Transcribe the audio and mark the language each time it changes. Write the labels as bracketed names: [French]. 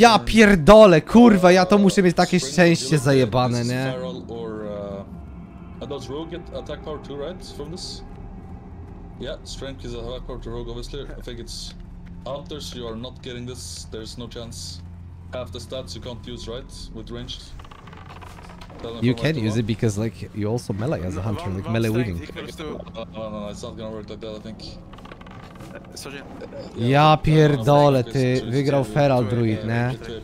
[Polish] Ja pierdolę, kurwa, ja to muszę mieć takie szczęście zajebane, nie? [English] Feral or... does Rogue get attack power 2, right, from this? Yeah, Strength is attack power to Rogue, obviously. I think it's... Hunters, you are not getting this, there's no chance. Half the stats you can't use, right? With ranged. You can use it because, like, you also melee as a hunter, like melee weaving. No, it's not gonna work like that, I think. [Polish] Ja pierdolę, ty, wygrał Feral Druid, ne?